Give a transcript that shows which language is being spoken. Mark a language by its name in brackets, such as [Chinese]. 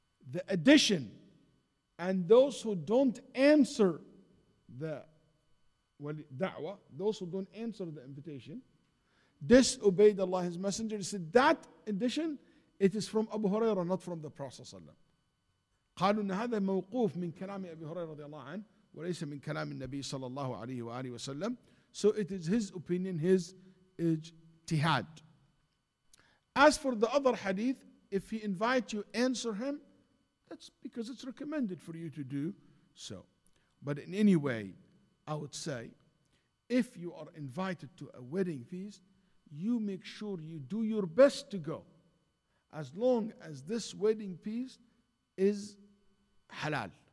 [English] The addition, and those who don't answer the da'wah, those who don't answer the invitation, disobeyed Allah, His Messenger, he said, that addition, it is from Abu Hurairah, not from the Prophet ﷺ. [Arabic] قالوا أن هذا موقوف من كلام أبي هريرة رضي الله عنه وليس من كلام النبي صلى الله عليه وآله وسلم. [English] So it is his opinion, his ijtihad. As for the other hadith, if he invites you, answer him, that's because it's recommended for you to do so. But in any way, I would say, if you are invited to a wedding feast, you make sure you do your best to go, as long as this wedding feast is halal.